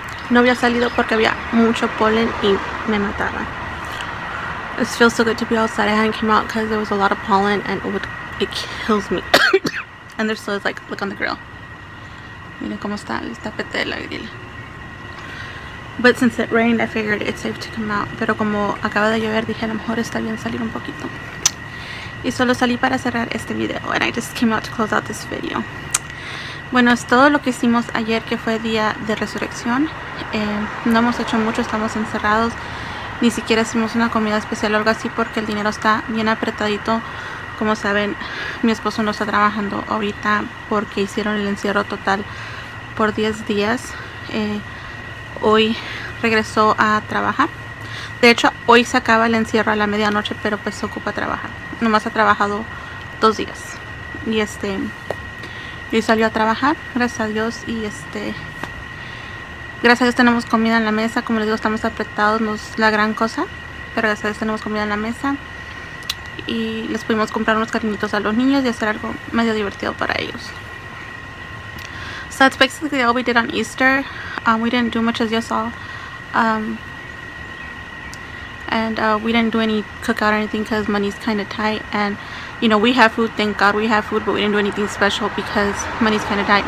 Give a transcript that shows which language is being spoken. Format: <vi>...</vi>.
<es>No había salido porque había mucho polen y me mataba.</es> <en>It feels so good to be outside. I hadn't came out because there was a lot of pollen and it kills me. And there still is, like, look on the grill.</en> <es>Mira cómo está el tapete de la grilla.</es> <en>But since it rained, I figured it's safe to come out.</en> <es>Pero como acaba de llover, dije a lo mejor está bien salir un poquito. Y solo salí para cerrar este video.</es> <en>And I just came out to close out this video.</en> <es>Bueno, es todo lo que hicimos ayer, que fue día de resurrección. No hemos hecho mucho, estamos encerrados. Ni siquiera hicimos una comida especial o algo así porque el dinero está bien apretadito. Como saben, mi esposo no está trabajando ahorita porque hicieron el encierro total por 10 días. Hoy regresó a trabajar. De hecho, hoy se acaba el encierro a la medianoche, pero pues se ocupa trabajar. Nomás ha trabajado 2 días. Y salió a trabajar, gracias a Dios, y gracias a Dios tenemos comida en la mesa. Como les digo, estamos apretados, no es la gran cosa, pero gracias a Dios tenemos comida en la mesa. Y les pudimos comprar unos cariñitos a los niños y hacer algo medio divertido para ellos.</es> <en>So that's basically all we did on Easter. We didn't do much as you saw. We didn't do any cookout or anything because money's kind of tight. And you know, we have food, thank God we have food, but we didn't do anything special because money's kind of tight.</en>